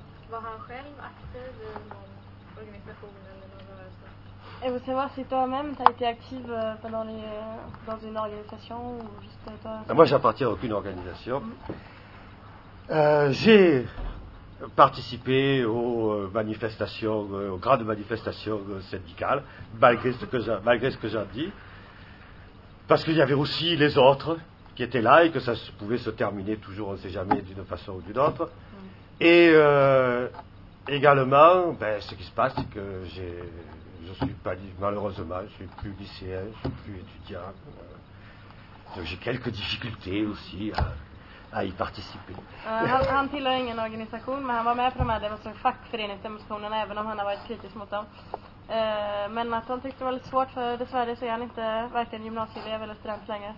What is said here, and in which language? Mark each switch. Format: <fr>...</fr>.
<sv>Var han själv aktiv i någon organisation eller någon rörelse?</sv> <fr>Et vous savoir si toi-même t'as été active pendant les dans une organisation ou juste toi? Moi, j'appartiens à aucune organisation. J'ai participé aux manifestations, aux grandes manifestations syndicales, malgré ce que j'ai dit, parce qu'il y avait aussi les autres qui étaient là et que ça pouvait se terminer toujours, on ne sait jamais, d'une façon ou d'une autre. Et également, ben, ce qui se passe, c'est que je suis plus lycéen, je suis plus étudiant, donc j'ai quelques difficultés aussi à y participer.</fr> <sv>Han tillhör ingen organisation, men han var med på de här fackföreningsdemonstrationerna, även om han har varit kritisk mot dem. Men att han tyckte det var lite svårt, för dessvärre så är han inte varken gymnasieelev eller student längre.</sv>